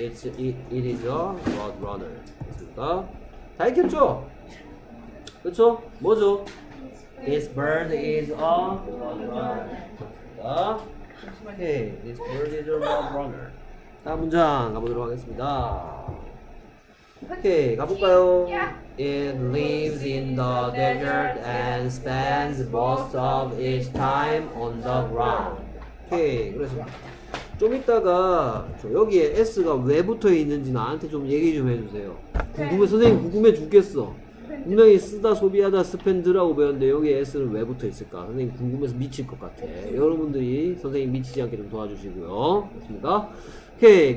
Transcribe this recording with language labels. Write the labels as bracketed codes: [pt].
[en] It is a roadrunner. [ko] 됐습니까? 다 익혔죠? 그렇죠? 뭐죠? [en] This bird is a roadrunner. 오케이, this bird is a roadrunner. [ko] 다음 문장 가보도록 하겠습니다. 오케이, 가볼까요? [en] It lives in the desert and spends most of its time on the ground. [ko] 오케이, 그래서 좀 이따가 여기에 S가 왜 붙어 있는지 나한테 좀 얘기 좀 해주세요. 궁금해, 선생님 궁금해 죽겠어. 분명히 쓰다 소비하다 스펜드라고 배웠는데 여기에 S는 왜 붙어 있을까? 선생님 궁금해서 미칠 것 같아. 여러분들이 선생님 미치지 않게 좀 도와주시고요. 됐습니까? 오케이.